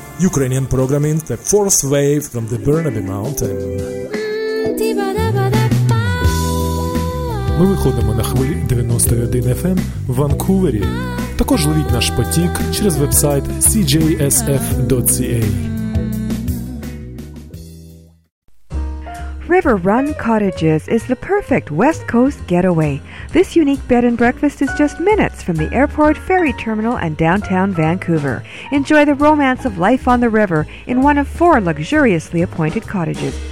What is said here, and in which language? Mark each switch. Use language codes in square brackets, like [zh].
[en] Ukrainian programming the fourth wave from the Burnaby Mountain. [uk] Ми виходимо на хвилі 91 FM в Ванкувері. Також ловіть наш потік через вебсайт cjsf.ca. [en] River Run Cottages is the perfect West Coast getaway. This unique bed and breakfast is just minutes from the airport, ferry terminal, and downtown Vancouver. Enjoy the romance of life on the river in one of four luxuriously appointed cottages.